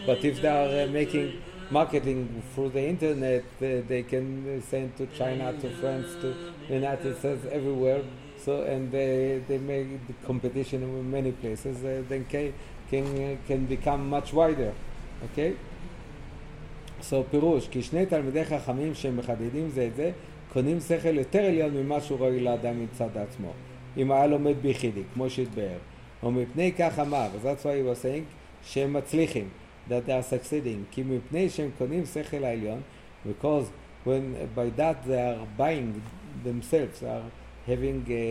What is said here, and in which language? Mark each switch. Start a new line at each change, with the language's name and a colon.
English: But if they are making marketing through the internet, they can send to China, to France, to United States, everywhere. So, and they make the competition in many places. Then can become much wider. Okay.
Hebrew: So Pirush, כי שני תלמידי חכמים שמחדדים זה את זה, קונים שכל יותר עליון ממה שהוא רואה לאדם מצד עצמו. אם היה לומד ביחידי, כמו שהתבאר. ומפני כך אמר,
English: that's why he was saying,
Hebrew: שהם מצליחים,
English: that they are succeeding.
Hebrew: כי מפני שהם קונים שכל העליון,
English: because when by that they are buying themselves, they are having